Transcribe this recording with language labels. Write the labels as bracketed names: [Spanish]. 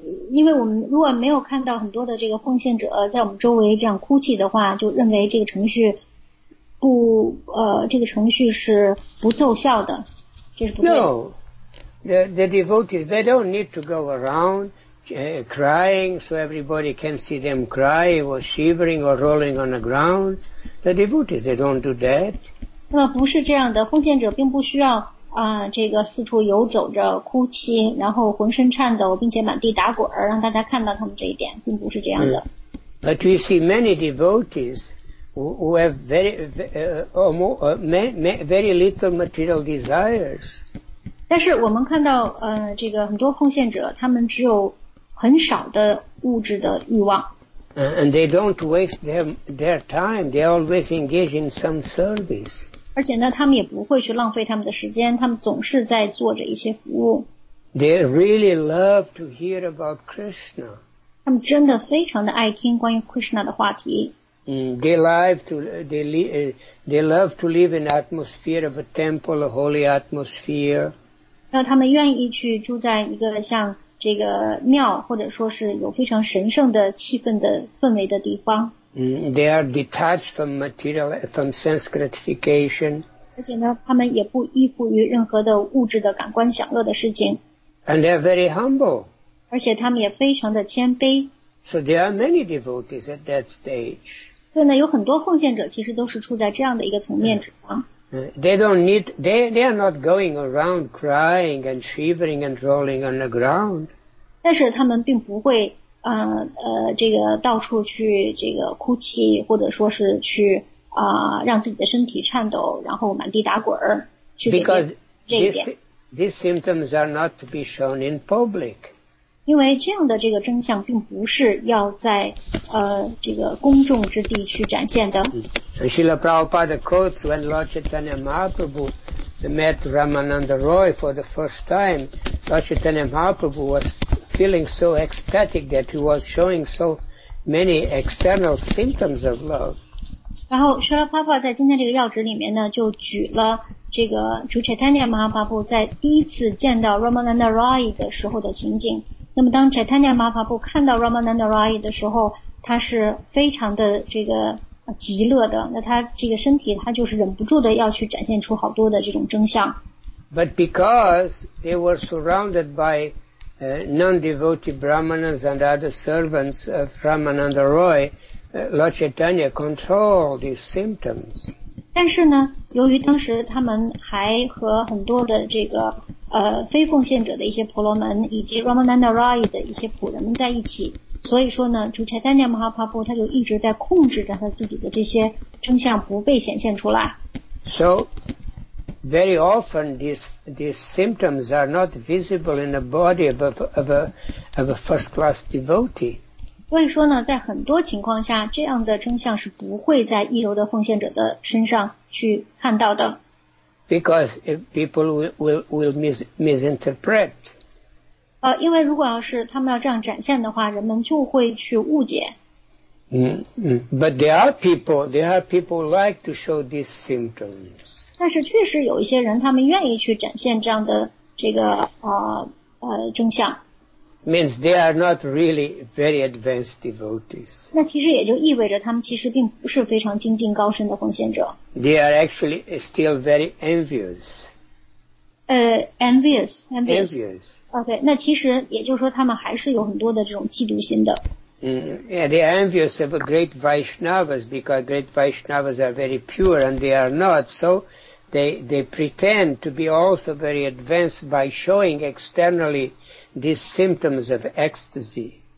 [Chinese] 因为我们如果没有看到很多的这个奉献者在我们周围这样哭泣的话，就认为这个程序不这个程序是不奏效的，这是不对的。 [English] No, the devotees they don't need to go around. Crying so everybody can see them cry or shivering or rolling on the ground. The devotees, they don't do that. [Chinese] 那么不是这样的，奉献者并不需要这个四处游走着哭泣，然后浑身颤抖，并且满地打滚，让大家看到他们这一点，并不是这样的。 [English] But we see many devotees who have very little material desires. [Chinese] 但是我们看到，这个很多奉献者，他们只有很少的物质的欲望。 [English] And they don't waste their time. They always engage in some service. [Chinese] 而且呢，他们也不会去浪费他们的时间，他们总是在做着一些服务。 [English] They really love to hear about Krishna. [Chinese] 他们真的非常的爱听关于 Krishna 的话题。 [English] They love to live in atmosphere of a temple, a holy atmosphere. [Chinese] 那他们愿意去住在一个像这个庙或者说是有非常神圣的气氛的氛围的地方。 [English] They are detached from material, from sense gratification. [Chinese] 而且呢，他们也不依附于任何的物质的感官享乐的事情。 [English] And they are very humble. [Chinese] 而且他们也非常的谦卑。 [English] So there are many devotees at that stage. [Chinese] 对呢，有很多奉献者其实都是处在这样的一个层面之上。 [English] They are not going around crying and shivering and rolling on the ground. [Chinese] 但是他们并不会这个到处去这个哭泣，或者说是去让自己的身体颤抖，然后满地打滚儿。 [English] Because these symptoms are not to be shown in public. [Chinese] 因为这样的这个征象并不是要在这个公众之地去展现的。 [English] Srila Prabhupada quotes when Lord Chaitanya Mahaprabhu met Ramananda Roy for the first time, Lord Chaitanya Mahaprabhu was feeling so ecstatic that he was showing so many external symptoms of love. [Chinese] 然后 Srila Prabhupada 在今天这个要旨里面呢，就举了这个 Lord Chaitanya Mahaprabhu 在第一次见到 Ramananda Roy 的时候的情景。那么当 Chaitanya Mahaprabhu 看到 Ramananda Roy 的时候，他是非常的这个极乐的，那他这个身体他就是忍不住的要去展现出好多的这种征象。 [English] But because they were surrounded by non-devotee Brahmanas and other servants of Ramananda Roy, Lord Chaitanya controlled these symptoms. [Chinese] 但是呢，由于当时他们还和很多的这个非奉献者的一些婆罗门以及 Ramananda Roy 的一些仆人们在一起，所以说呢，主差丹尼尔·马哈帕布他就一直在控制着他自己的这些征象不被显现出来。 [English] So, very often these symptoms are not visible in the body of a first class devotee. [Chinese] 所以说呢，在很多情况下，这样的征象是不会在一流的奉献者的身上去看到的。 [English] Because people will misinterpret. [Chinese] 因为如果要是他们要这样展现的话，人们就会去误解。 [English] But there are people like to show these symptoms. [Chinese] 但是确实有一些人，他们愿意去展现这样的这个征象。 [English] Means they are not really very advanced devotees. [Chinese] 那其实也就意味着他们其实并不是非常精进高深的奉献者。 [English] They are actually still very envious. Envious. [Chinese] Okay, 那其实也就是说他们还是有很多的这种嫉妒心的。 [English] They are envious of great Vaishnavas because great Vaishnavas are very pure and they are not. So they pretend to be also very advanced by showing externally these symptoms of ecstasy.